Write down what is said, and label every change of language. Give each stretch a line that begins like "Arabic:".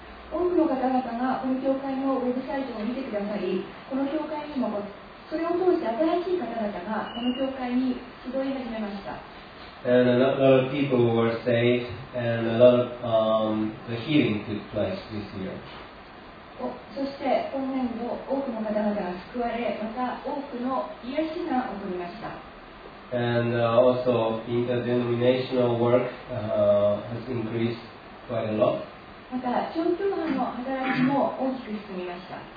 Japanese: 多くの方々がこの教会のウェブサイトを見てくださり、この教会にもそれを通して新しい方々がこの教会に集い始めました。
English: And a lot of people were saved, and a lot of the healing took place this year.
Japanese: そして今年度多くの方々が救われ、また多くの癒しが起こりました。
English: And also interdenominational work has increased quite a lot.
Japanese: また、小規模の働きも大きく進みました。